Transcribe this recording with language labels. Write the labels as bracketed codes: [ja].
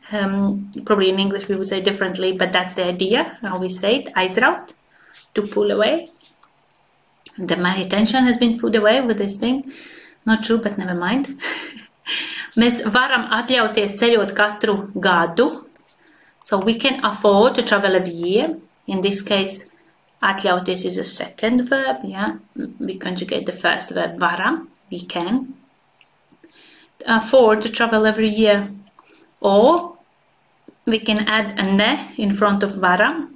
[en] Probably in English we would say differently, but that's the idea, how we say it, aizraut, to pull away. The my attention has been pulled away with this thing. Not true, but never mind. [lv] Mēs varam atļauties ceļot katru gadu. [en] So we can afford to travel every year. In this case, atļauties is a second verb. Yeah, we conjugate the first verb, varam, we can. Afford to travel every year. Or we can add a ne in front of varam.